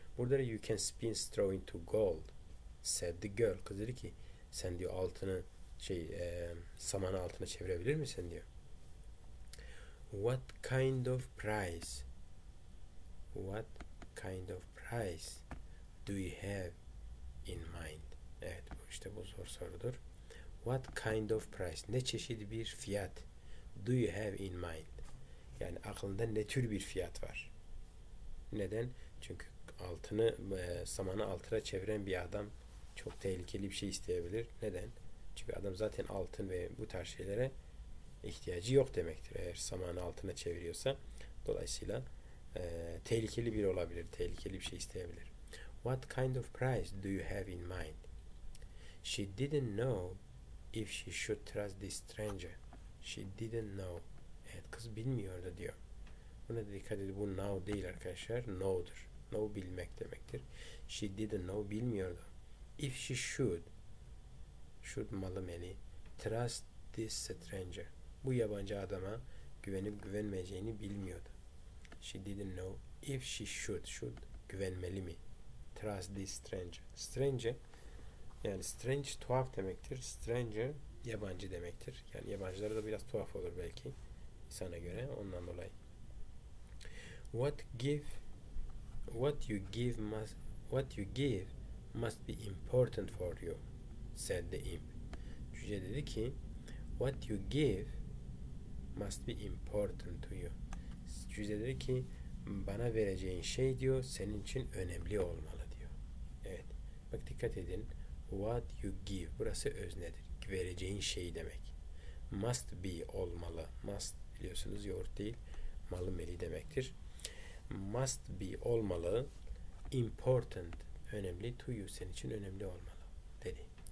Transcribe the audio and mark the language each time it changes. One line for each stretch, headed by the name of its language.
Turkish: Burada da
English: you can spin straw into gold. Said the girl.
Turkish: Kız dedi ki sen diyor altını saman altına çevirebilir misin diyor.
English: What kind of price? What kind of price do you have in mind?
Turkish: Evet, bu işte bu zor sorudur.
English: What kind of price?
Turkish: Ne çeşit bir fiyat
English: do you have in mind?
Turkish: Yani aklında ne tür bir fiyat var? Neden? Çünkü altını samanı altına çeviren bir adam çok tehlikeli bir şey isteyebilir. Neden? Çünkü adam zaten altın ve bu tarz şeylere ihtiyacı yok demektir. Eğer samanı altına çeviriyorsa, dolayısıyla tehlikeli biri olabilir, tehlikeli bir şey isteyebilir.
English: What kind of price do you have in mind? She didn't know if she should trust this stranger. She didn't know.
Turkish: Evet, kız bilmiyordu diyor. Buna dikkat edin. Bu now değil arkadaşlar. Know'dur. Know bilmek demektir.
English: She didn't know.
Turkish: Bilmiyordu.
English: If she should
Turkish: malı meli
English: trust this stranger.
Turkish: Bu yabancı adama güvenip güvenmeyeceğini bilmiyordu.
English: She didn't know if she should.
Turkish: Güvenmeli mi?
English: Trust this stranger. Stranger yani strange tuhaf demektir.
Turkish: Stranger yabancı demektir. Yani yabancılara da biraz tuhaf olur belki. Sana göre ondan dolayı.
English: What you give must be important for you, said the imp.
Turkish: Cüce dedi ki,
English: what you give must be important to you.
Turkish: Cüce dedi ki, bana vereceğin şey diyor, senin için önemli olmalı diyor. Evet. Bak dikkat dikkat edin.
English: What you give.
Turkish: Burası öznedir. Vereceğin şeyi demek.
English: Must be
Turkish: olmalı. Must biliyorsunuz yoğurt değil. Malı meli demektir.
English: Must be
Turkish: olmalı. Important. Önemli.
English: To you.
Turkish: Senin için önemli olmalı. Dedi.